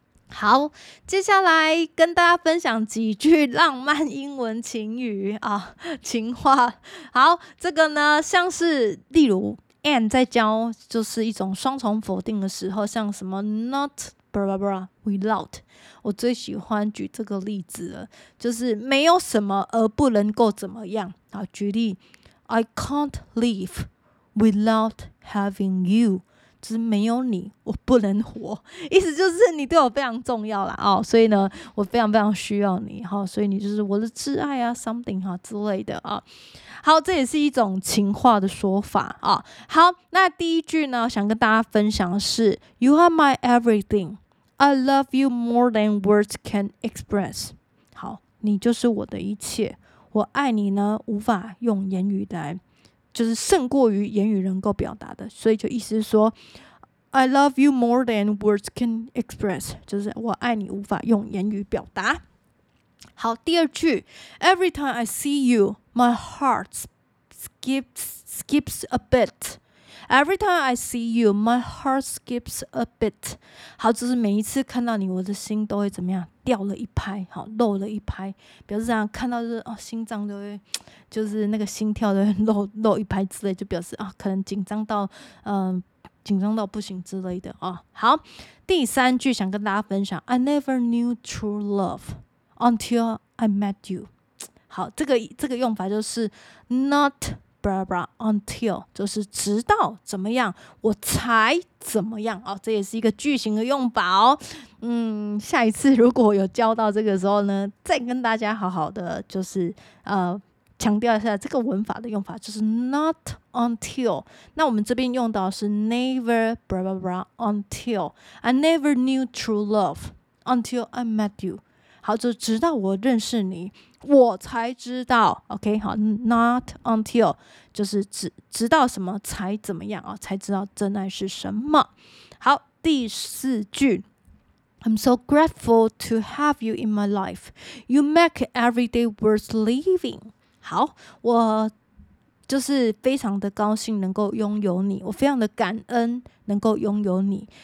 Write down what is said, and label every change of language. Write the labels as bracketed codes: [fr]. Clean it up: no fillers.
[zh] 好，接下来跟大家分享几句浪漫英文情语啊，情话。好，这个呢，像是例如 Anne 在教就是一种双重否定的时候，像什么 not blah blah blah without， 我最喜欢举这个例子了，就是没有什么而不能够怎么样啊。举例 [en] ，I can't live without having you。 [zh] 就是没有你我不能活，意思就是你对我非常重要啦，所以呢我非常非常需要你，所以你就是我的挚爱啊 something 啊之类的啊。好，这也是一种情话的说法啊。好，那第一句呢想跟大家分享的是 [en] You are my everything， I love you more than words can express。 [zh] 好，你就是我的一切，我爱你呢无法用言语来就是胜过于言语能够表达的，所以就意思是说 [en] I love you more than words can express， [zh] 就是我爱你无法用言语表达。好，第二句 [en] Every time I see you my heart skips a bit。 Every time I see you, my heart skips a bit. [zh] 好，就是每一次看到你，我的心都会怎么样，掉了一拍，好，漏了一拍。表示这样，看到就是哦，心脏都会，就是那个心跳都会漏一拍之类，就表示啊，可能紧张到，紧张到不行之类的啊。好，第三句想跟大家分享 [en] ，I never knew true love until I met you. [zh] 好，这个用法就是 not。Until 就是直到怎么样，我才怎么样哦，这也是一个句型的用法哦。下一次如果有教到这个时候呢，再跟大家好好的就是强调一下这个文法的用法，就是 not until。那我们这边用到是 [en] never until I never knew true love until I met you。 [zh] 好，就直到我认识你，我才知道。 OK， 好 ，not until 就是直到什么才怎么样啊、哦，才知道真爱是什么。好，第四句 [en] ，I'm so grateful to have you in my life. You make every day worth living. [zh] 好，我就是非常的高兴能够拥有你，我非常的感恩能够拥有你。